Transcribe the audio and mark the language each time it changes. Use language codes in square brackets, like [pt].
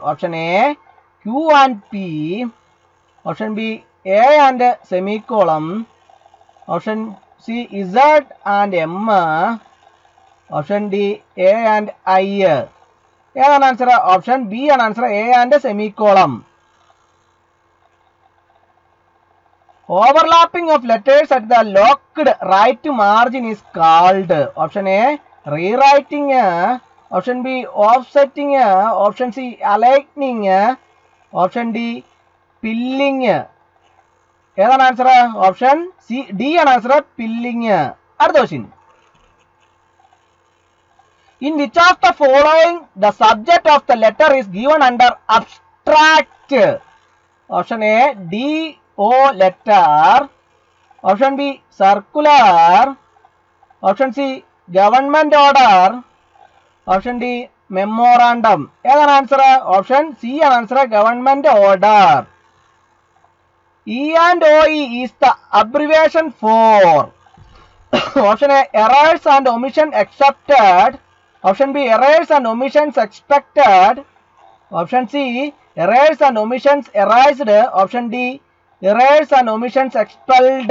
[ml] Option A Q and P. Option B A and സെമികോളം. Option C Z and M. Option D A and I. ഏതാണ് answer? Option B ആണ് answer, A and സെമികോളം. [en] Overlapping of letters at the locked right margin is called. Option A, rewriting. Option B, offsetting. Option C, aligning. Option D, pilling. [ml] ഏതാണ് answer? Option C D ആണ് answer, പില്ലിങ്. അടുത്ത question, [en] In which of the following the subject of the letter is given under abstract. [ml] Option A D O letter, option B circular, option C government order, option D memorandum. ഏതാണ് answer? Option C ആണ് answer, government order. [en] E&OE is the abbreviation for. Option A, errors and omissions accepted. Option B, errors and omissions expected. Option C, errors and omissions erased. Option D, errors and omissions expelled.